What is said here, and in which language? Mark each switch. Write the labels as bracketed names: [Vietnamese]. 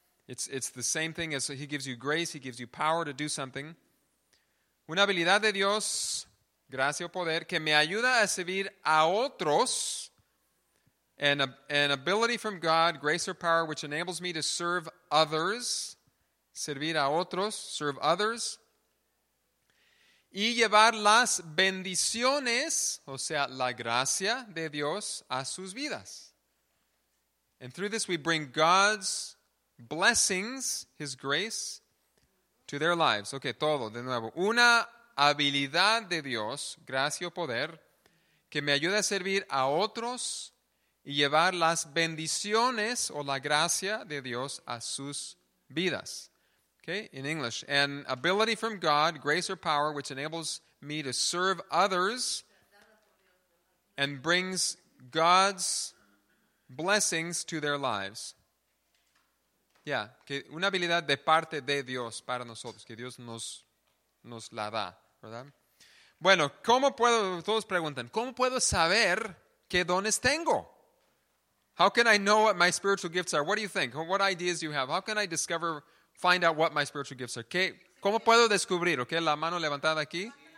[English] It's the same thing as he gives you grace, he gives you power to do something. [Spanish] Una habilidad de Dios, gracia o poder, que me ayuda a servir a otros. [English] An ability from God, grace or power, which enables me to serve others. [Spanish] Servir a otros, [English] serve others. [Spanish] Y llevar las bendiciones, o sea, la gracia de Dios, a sus vidas. [English] And through this we bring God's blessings, his grace, to their lives. [Spanish] Okay, todo, de nuevo. Una habilidad de Dios, gracia o poder, que me ayuda a servir a otros y llevar las bendiciones o la gracia de Dios a sus vidas. [English] Okay, in English. An ability from God, grace or power, which enables me to serve others and brings God's blessings to their lives. [Spanish] Yeah, que una habilidad de parte de Dios para nosotros, que Dios nos la da, ¿verdad? Bueno, ¿cómo puedo, todos preguntan, ¿cómo puedo saber qué dones tengo? [English] How can I know what my spiritual gifts are? What do you think? What ideas do you have? How can I discover, find out what my spiritual gifts are? [Spanish] ¿Qué, cómo puedo descubrir? Okay, la mano levantada aquí.